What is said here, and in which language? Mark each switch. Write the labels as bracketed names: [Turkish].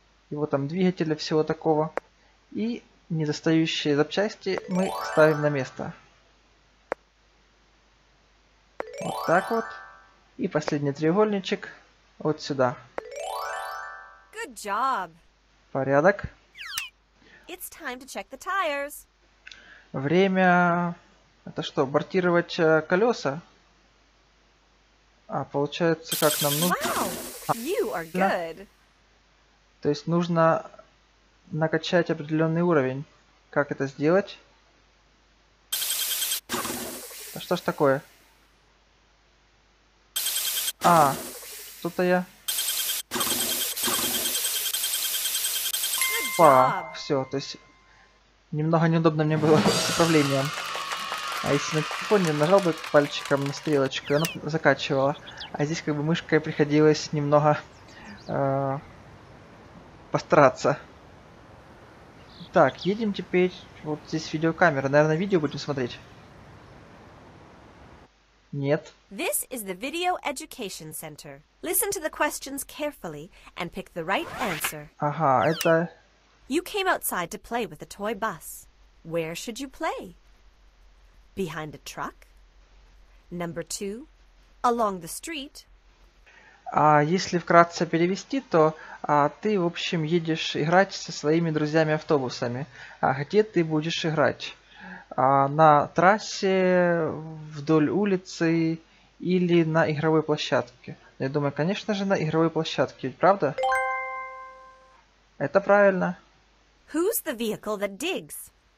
[Russian] Его там двигатели, всего такого. И недостающие запчасти мы ставим на место. Вот так вот. И последний треугольничек вот сюда. [English] Good job. [Russian] Порядок. [English] It's time to check the tires. [Russian] Время... Это что, бортировать колеса? А, получается, как нам нужно... То есть нужно накачать определенный уровень. Как это сделать? А что ж такое? А, что-то я... Па, все, то есть... Немного неудобно мне было с управлением. А если на телефоне нажал бы пальчиком на стрелочку, и оно закачивало. А здесь как бы мышкой приходилось немного постараться. Так, едем теперь. Вот здесь видеокамера. Наверное, видео будем смотреть. Нет. [English] This is the Video Education Center. Listen to the questions carefully and pick the right answer. [Russian] Ага, это. [English] You came outside to play with a toy bus. Where should you play? Behind a truck? Number two. Along the street. [Russian] А если вкратце перевести, то ты, в общем, едешь играть со своими друзьями-автобусами. А где ты будешь играть? На трассе, вдоль улицы или на игровой площадке? Я думаю, конечно же, на игровой площадке, правда? Это правильно. [English] Who's the vehicle that digs?